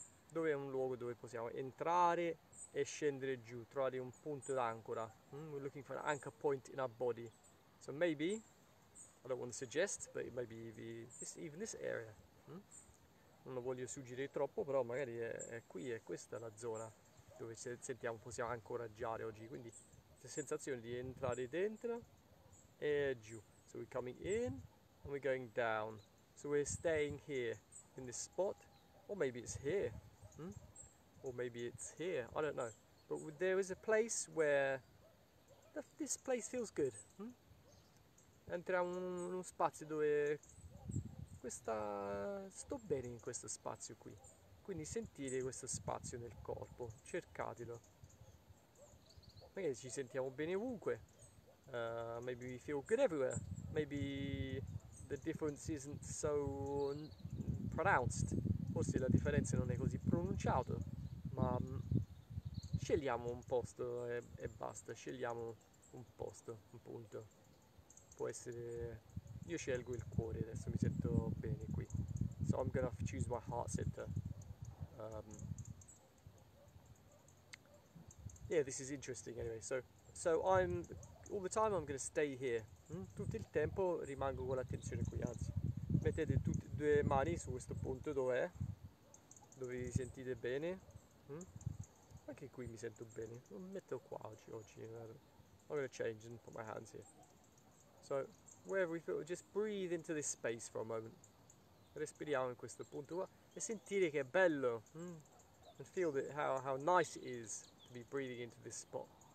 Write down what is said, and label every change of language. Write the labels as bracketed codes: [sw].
[it] Dove è un luogo dove possiamo entrare e scendere giù, trovare un punto d'ancora? [en] We're looking for an anchor point in our body. So maybe, I don't want to suggest, but maybe even this area. [it] Non lo voglio suggerire troppo, però magari è qui, è questa la zona dove ci sentiamo, possiamo ancoraggiare oggi. Quindi, la sensazione di entrare dentro e giù. [en] So we're coming in and we're going down. So we're staying here in this spot. Or maybe it's here. Or maybe it's here. I don't know. But there is a place where this place feels good. [it] Entriamo in uno spazio dove. Sto bene in questo spazio qui. Quindi sentite questo spazio nel corpo, cercatelo. Magari ci sentiamo bene ovunque. [en] Maybe we feel good everywhere. Maybe the difference isn't so pronounced. [it] Forse la differenza non è così pronunciata, ma scegliamo un posto e basta, scegliamo un posto, un punto. Può essere. Io scelgo il cuore, adesso mi sento bene qui. [en] So I'm gonna choose my heart center. Yeah, this is interesting anyway. So I'm all the time I'm gonna stay here. [it] Tutto il tempo rimango con l'attenzione qui, anzi, mettete tutte e due mani su questo punto dove vi sentite bene. Anche qui mi sento bene. Lo metto qua oggi. [en] I'm gonna change and put my hands here. So where we feel, just breathe into this space for a moment. [it] Respiriamo in questo punto qua e sentire che è bello. [en] And feel that how nice it is to be breathing into this spot.